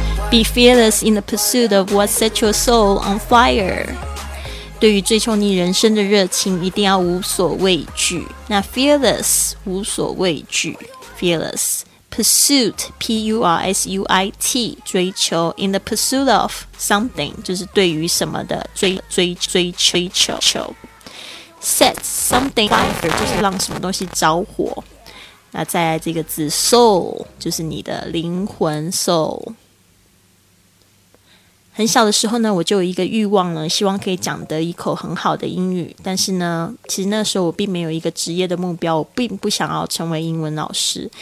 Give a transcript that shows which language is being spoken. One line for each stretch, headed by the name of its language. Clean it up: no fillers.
English: Be fearless in the pursuit of what sets your soul on fire.
Chinese: 对于追求你人生的热情，一定要无所畏惧。那 fearless 无所畏惧 ，fearless pursuit P-U-R-S-U-I-T 追求 in the pursuit of something 就是对于什么的追求。
English: Set something fire
Chinese: 就是让什么东西着火。那再来这个字 soul 就是你的灵魂 soul。很小的时候呢，我就有一个欲望呢，希望可以讲得一口很好的英语。但是呢，其实那时候我并没有一个职业的目标，我并不想要成为英文老师。